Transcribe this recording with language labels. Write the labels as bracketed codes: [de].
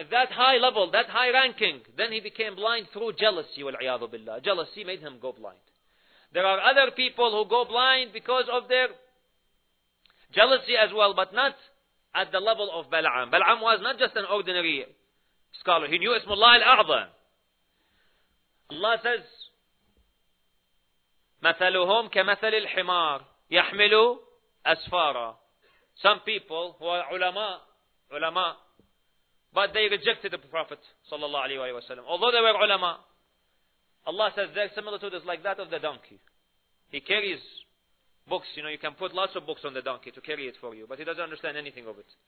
[en] At that high level, that high ranking, then he became blind through jealousy, wal'iyadu billah. Jealousy made him go blind. There are other people who go blind because of their jealousy as well, but not at the level of Bal'am. Bal'am was not just an ordinary scholar. He knew Ismullah al-A'zam. Allah says, [ar] مَثَلُهُمْ كَمَثَلِ الْحِمَارِ يَحْمِلُ أَسْفَارًا. [en] Some people who are ulama, but they rejected the Prophet sallallahu alaihi wasallam. Although they were ulama, Allah says their similitude is like that of the donkey. He carries books. You know, you can put lots of books on the donkey to carry it for you, but he doesn't understand anything of it.